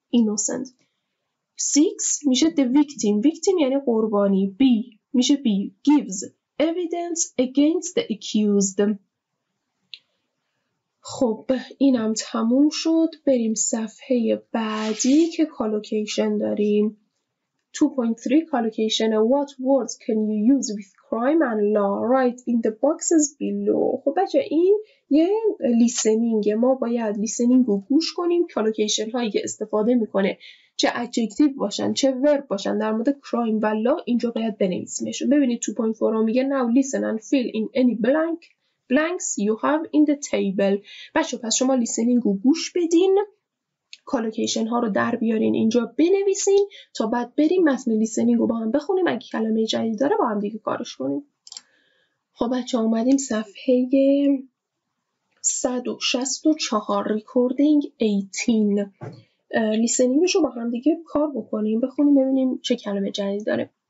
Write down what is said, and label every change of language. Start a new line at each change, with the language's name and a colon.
English: Innocent. 6.
Persian: میشه
English: The victim. Victim
Persian: یعنی قربانی.
English: B.
Persian: میشه
English: B. Gives evidence against the accused.
Persian: خب اینم تموم شد. بریم صفحه بعدی که کالوکیشن داریم.
English: 2.3 collocation. What words can you use with crime and law? Write in the boxes below.
Persian: خب بچه این یه لیسنینگ. ما باید لیسنینگ رو گوش کنیم. collocation هایی که استفاده میکنه. چه adjective باشن. چه verb باشن. در مورد crime و law اینجا باید بنویسیمشون. ببینید 2.4 رو میگه.
English: Now listen and fill in any blanks you have in the table.
Persian: بچه پس شما لیسنینگ رو گوش بدین. کالوکیشن ها رو در بیارین اینجا بنویسین تا بعد بریم متن لیسنینگ رو با هم بخونیم اگه کلمه جدید داره با هم دیگه کارش کنیم. خب بچه اومدیم صفحه 164 ریکوردینگ 18 لیسنینگش رو با هم دیگه کار بکنیم بخونیم ببینیم چه کلمه جدید داره.